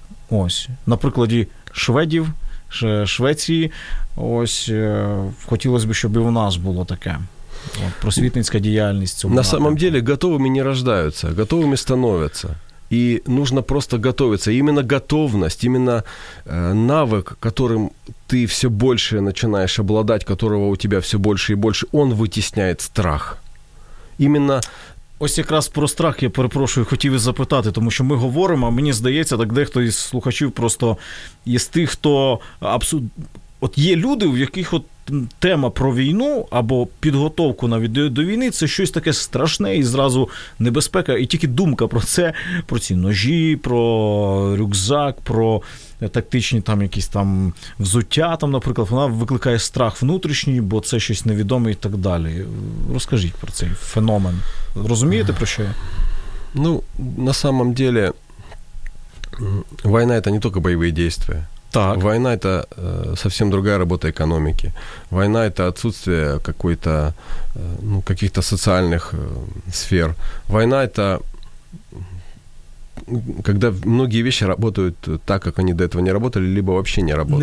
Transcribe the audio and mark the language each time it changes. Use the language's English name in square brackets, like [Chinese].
[Ukrainian] Ось, на прикладі шведів, Швеції, ось, хотілося б, щоб і в нас було таке. От, просвітницька діяльність. [Russian] На самом деле, готовыми не рождаются, готовыми становятся. И нужно просто готовиться. Именно готовность, именно навык, которым ты все больше начинаешь обладать, которого у тебя все больше и больше, он вытесняет страх. Именно... [Ukrainian] Ось якраз про страх, я перепрошую, хотів і запитати, тому що ми говоримо, а мені здається, так дехто із слухачів просто із тих, хто от є люди, в яких от тема про війну або підготовку навіть до війни, це щось таке страшне і зразу небезпека, і тільки думка про це, про ці ножі, про рюкзак, про тактичні там якісь там взуття, там, наприклад, вона викликає страх внутрішній, бо це щось невідоме і так далі. Розкажіть про цей феномен. Розумієте, про що я? [Russian] Ну, на самом деле, [Ukrainian] війна – це не тільки бойові дії. Так. [Russian] Война – это совсем другая работа экономики. Война – это отсутствие какой-то, ну, каких-то социальных сфер. Война – это когда многие вещи работают так, как они до этого не работали, либо вообще не работают.